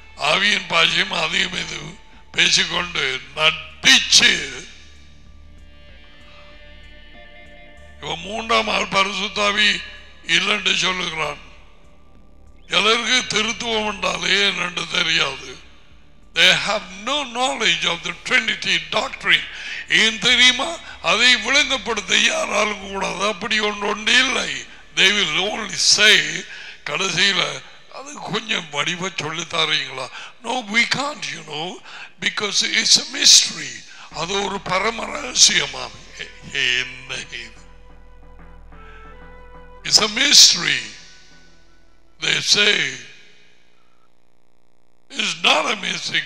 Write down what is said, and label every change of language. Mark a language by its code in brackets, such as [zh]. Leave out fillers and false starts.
[ta] ஆவியின் பாஷையும் அதிகம் இது பேசிக்கொண்டு நடிச்சு இவன் மூன்றாம் ஆள் பரிசுத்தாவி இல்லைன்னு சொல்லுகிறான். எல்லருக்கு திருத்துவம் என்றாலே என்னென்று தெரியாது. [en] They have no knowledge of the Trinity doctrine. [ta] ஏன் தெரியுமா? அதை விளங்கப்படுத்த யாராலும் கூடாது. அப்படி ஒன்று இல்லை. [en] They will only say, [ta] கடைசியில் அது கொஞ்சம் வடிவை சொல்லித்தாரீங்களா? [en] No, we can't, you know, because it's a mystery. [ta] அது ஒரு பரம ரகசியமாம். என்ன [en] It's a mystery. They say, it's not a mystery.